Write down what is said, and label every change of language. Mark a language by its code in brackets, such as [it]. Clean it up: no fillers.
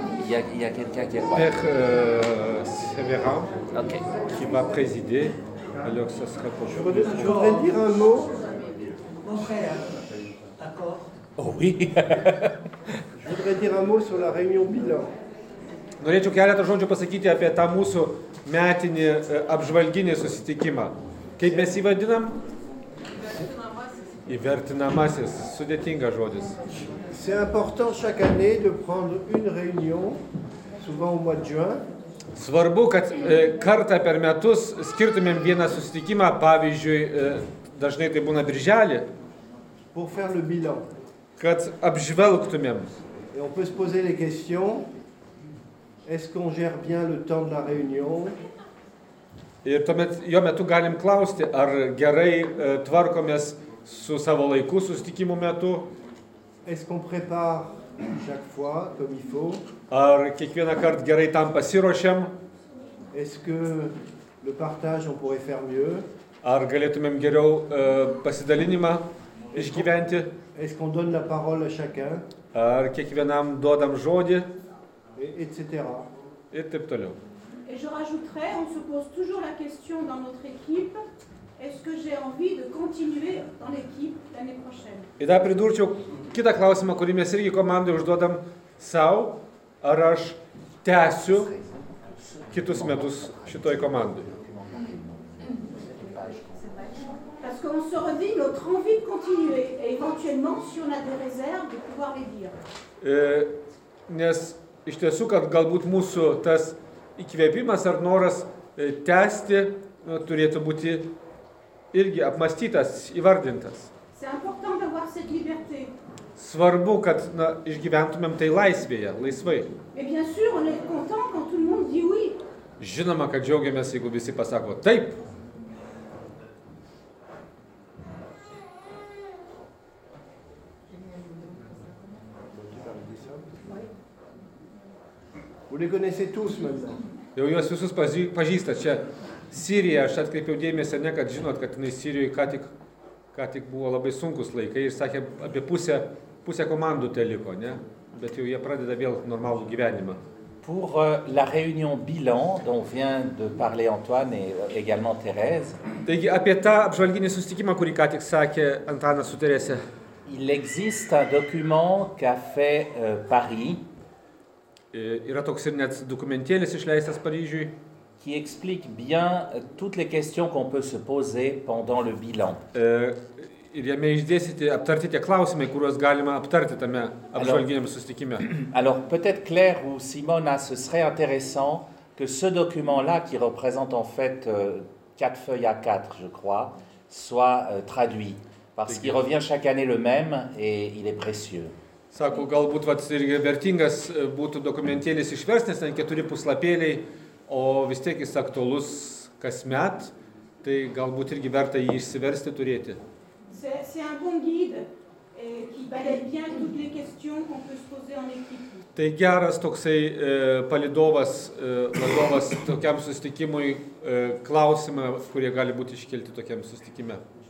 [fr] Il y a quelqu'un qui est quoi ? Père Sévérin. Ok. Qui va présider. Alors, ça sera pour. Je voudrais dire un mot. Mon frère. D'accord. Oh oui. Je voudrais dire un mot sur la réunion bilan. [lt] Norėčiau keletą žodžių pasakyti apie tą mūsų metinį apžvalginį susitikimą. Kaip mes jį vadinam? Įvertinamasis. Sudėtingas žodis. [fr] C'est important chaque année de prendre une réunion, souvent au mois de juin. [lt] Svarbu, kad kartą per metus skirtumėm vieną susitikimą, pavyzdžiui, dažnai tai būna birželį. [fr] Pour faire le bilan. [lt] Kad apžvelgtumėm. [fr] Et on peut se poser les questions. Est-ce qu'on gère bien le temps de la réunion? [lt] Et tuomet jo metu galim klausti, ar gerai tvarkomės su savo laiku susitikimo metu? [fr] Est-ce qu'on prépare chaque fois comme il faut? [lt] Ar kiekvieną kartą gerai tam pasiruošiam? [fr] Est-ce que le partage on pourrait faire mieux? [lt] Ar galėtumėm geriau pasidalinimą? Išgyventi. [fr] Est-ce qu'on donne la parole à chacun? [lt] Ar kiekvienam duodam žodį? [fr] Etc. [lt] Et taip toliau. [fr] Et je rajouterai, on se pose toujours la question dans notre équipe, est-ce que j'ai envie de continuer dans l'équipe l'année prochaine? [lt] Et dar pridurčiau kitą klausimą, kurį mes irgi komandai užduodam sau, ar aš tęsiu kitus metus šitoj komandai? [fr] Parce qu'on se redit notre envie de continuer et éventuellement, si on a des réserves, de pouvoir les dire. [lt] Nes iš tiesų, kad galbūt mūsų tas įkvėpimas ar noras tęsti turėtų būti irgi apmastytas, įvardintas. [fr] C'est important d'avoir cette liberté. [lt] Svarbu, kad na, išgyventumėm tai laisvėje, laisvai. [fr] Et bien sûr, on est content quand tout le monde dit oui. [lt] Žinoma, kad džiaugiamės, jeigu visi pasako taip. [fr] Vous les connaissez tous maintenant. [lt] Jau juos visus pažįsta. Čia Sirija, aš atkreipiau dėmesį, ne, kad žinot, kad jinai Sirijoje ką tik buvo labai sunkus laikai ir sakė, apie pusę komandų teliko, ne? Bet jau jie pradeda vėl normalų gyvenimą. [fr] Pour la réunion bilan dont vient de parler Antoine et également Thérèse. [lt] Taigi apie tą apžvalginį susitikimą, kurį ką tik sakė Antanas su Terese. [fr] Il existe un document qu'a fait Paris. [lt] Yra toks ir net dokumentėlis išleistas Paryžiui. [fr] Qui explique bien toutes les questions qu'on peut se poser pendant le bilan. [lt] Ir jame išdėsite aptarti tie klausimai, kuriuos galima aptarti tame apžvalginiame susitikime. [fr] Alors peut-être Claire ou Simona, ce serait intéressant que ce document-là, qui représente en fait 4 feuilles à 4, je crois, soit traduit. Parce qu'il revient chaque année le même et il est précieux. [lt] Sako, galbūt vat, irgi vertingas būtų dokumentėlis išversnis, ten 4 puslapėliai, o vis tiek jis aktualus kas met, tai galbūt irgi verta jį išsiversti turėti. [fr] C'est un bon guide qui balaye bien toutes les questions qu'on peut se poser en équipe. [lt] Tai geras toksai palidovas, vadovas tokiam susitikimui klausimą, kurie gali būti iškelti tokiam susitikime.